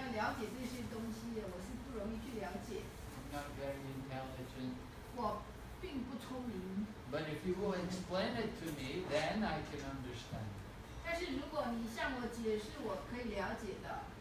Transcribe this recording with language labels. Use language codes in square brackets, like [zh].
[zh] 哇，我是一个女人，要了解这些东西的，我是不容易去了解。 [en] I'm not very intelligent. [zh] 我并不聪明。 [en] But if you will explain it to me, then I can understand. [zh] 但是如果你向我解释，我可以了解的。